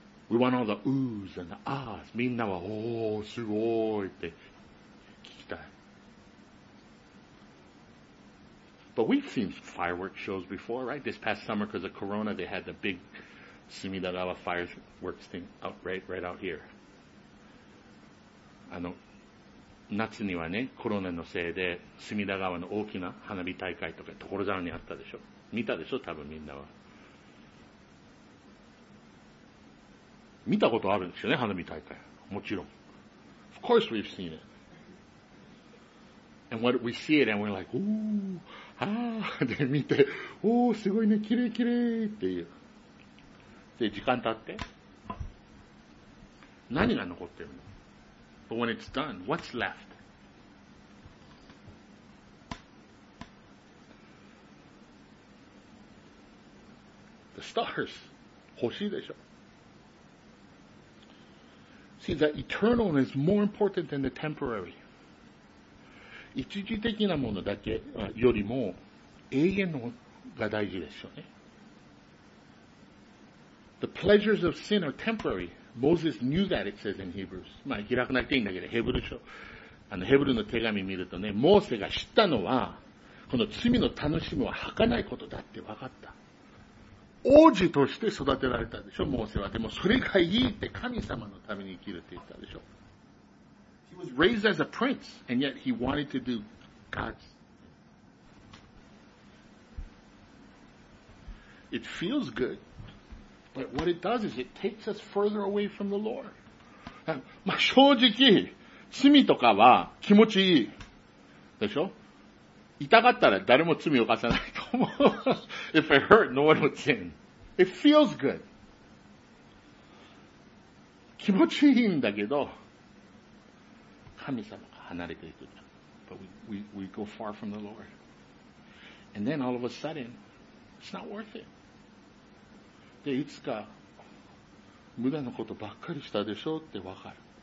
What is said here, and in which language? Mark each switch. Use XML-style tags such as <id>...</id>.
<en>We want all the oohs and the ahs.</en> <ja>みんなは、おー、すごいって聞きたい。</ja> <en>But we've seen fireworks shows before, right? This past summer, because of Corona, they had the big Sumidagawa fireworks thing out, right out here.</en> <ja>あの夏にはねコロナのせいで隅田川の大きな花火大会とか所沢にあったでしょ、見たでしょ、多分みんなは見たことあるんですよね、花火大会、もちろん。</ja> <en>Of course we've seen it. And what we see it and we're like, ooh, ah,</en> <ja>で見て、おー、すごいね、きれいきれいっていう。で、時間経って、何が残ってるの ?</ja> <en>But when it's done, what's left? The stars.</en> <ja>星でしょ。</ja> <en>See, the eternal is more important than the temporary.</en> <ja>一時的なものだけよりも永遠のが大事ですよね。</ja> <en>The pleasures of sin are temporary. Moses knew that, it says in Hebrews.</en> <ja>まあ、開かなくていいんだけど、ヘブル書。あの、ヘブルの手紙見るとね、モーセが知ったのは、この罪の楽しみは儚いことだって分かった。王子として育てられたでしょ、モーセは。でもそれがいいって神様のために生きるって言ったでしょ。</ja> <en>He was raised as a prince, and yet he wanted to do God's. It feels good, but what it does is it takes us further away from the Lord.</en> <ja>まあ正直、罪とかは気持ちいいでしょ。痛かったら誰も罪を犯さないと思う。</ja> <en>If it hurt, no one would sin. It feels good.</en> <ja>気持ちいいんだけど、神様が離れていく。</ja> <en>But we go far from the Lord. And then all of a sudden, it's not worth it.</en> <ja>で、いつか無駄なことばっかりしたでしょってわかる。</ja>